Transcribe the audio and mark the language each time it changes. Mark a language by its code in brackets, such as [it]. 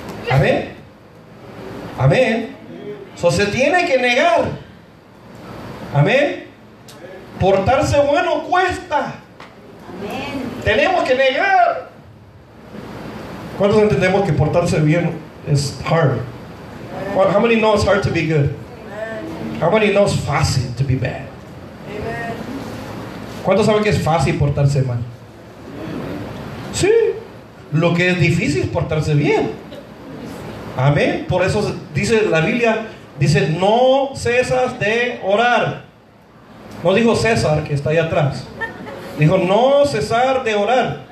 [es] Amén. Amén. So se tiene que negar. Amén. Portarse bueno cuesta. Amén. Tenemos que negar. ¿Cuántos entendemos que portarse bien es hard? [en] How many know it's hard to be good? How many know it's fácil to be bad? [es] ¿Cuántos saben que es fácil portarse mal? Sí. Lo que es difícil es portarse bien. Amén. Por eso dice la Biblia, dice, no cesas de orar. No dijo César, que está ahí atrás. Dijo, no cesar de orar.